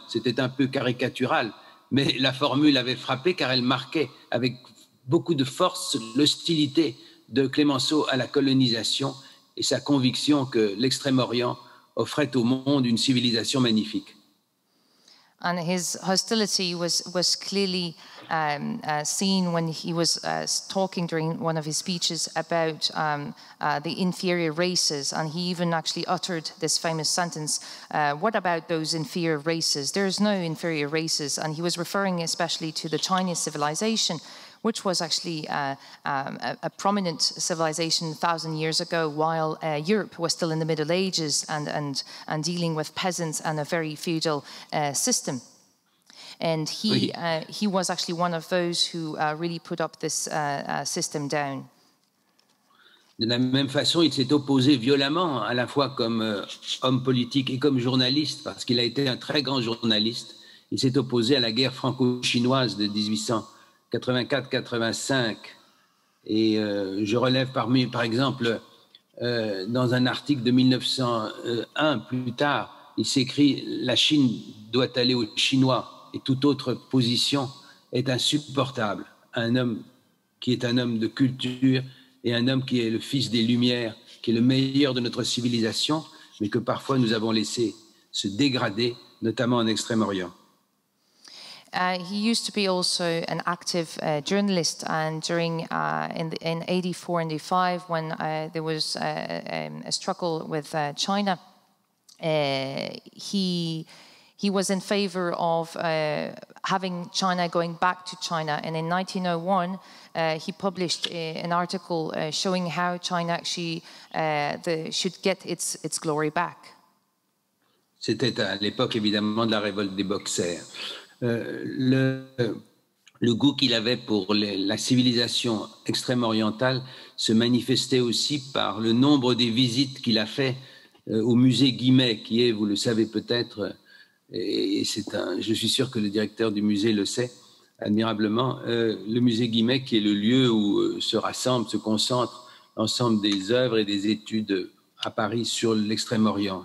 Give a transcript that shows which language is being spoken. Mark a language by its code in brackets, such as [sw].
[fr] C'était un peu caricatural, mais la formule avait frappé car elle marquait avec beaucoup de force l'hostilité de Clemenceau à la colonisation et sa conviction que l'Extrême-Orient offrait au monde une civilisation magnifique. [en] And his hostility was clearly seen when he was talking during one of his speeches about the inferior races. And he even actually uttered this famous sentence, what about those inferior races? There is no inferior races. And he was referring especially to the Chinese civilization, which was actually a prominent civilization 1,000 years ago, while Europe was still in the Middle Ages and dealing with peasants and a very feudal system. And he was actually one of those who really put up this system down. [fr] De la même façon, il s'est opposé violemment, à la fois comme homme politique et comme journaliste, parce qu'il a été un très grand journaliste. Il s'est opposé à la guerre franco-chinoise de 1884-85. Et je relève par exemple, dans un article de 1901, plus tard, il s'écrit « La Chine doit aller aux Chinois ». Et toute autre position est insupportable. Un homme qui est un homme de culture et un homme qui est le fils des Lumières, qui est le meilleur de notre civilisation, mais que parfois nous avons laissé se dégrader, notamment en Extrême-Orient. [en] He used to be also an active journalist, and during in 84-85, when there was a struggle with China, he was in favor of having China going back to China. And in 1901, he published an article showing how China actually should get its glory back. [fr] C'était à l'époque, évidemment, de la révolte des boxers. Le goût qu'il avait pour la civilisation extrême orientale se manifestait aussi par le nombre des visites qu'il a fait au musée Guimet, qui est, vous le savez peut-être, et c'est un, je suis sûr que le directeur du musée le sait admirablement, le musée Guimet, qui est le lieu où se rassemble, se concentre l'ensemble des œuvres et des études à Paris sur l'Extrême-Orient.